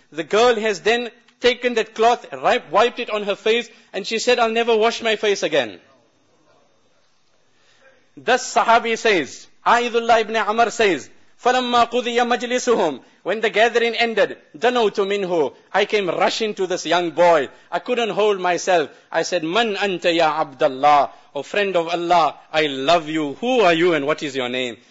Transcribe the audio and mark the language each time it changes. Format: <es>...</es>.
<en>The girl has then taken that cloth, wiped it on her face, and she said, I'll never wash my face again. Thus Sahabi says, Aidullah ibn Amr says,</en> <ar>فَلَمَّا قُضِيَ مَجْلِسُهُمْ.</ar> <en>When the gathering ended,</en> <ar>دَنَوْتُ مِنْهُ.</ar> <en>I came rushing to this young boy. I couldn't hold myself. I said,</en> <ar>مَنْ أَنْتَ يَا عَبْدَ اللَّهِ.</ar> <en>O friend of Allah, I love you. Who are you and what is your name?</en>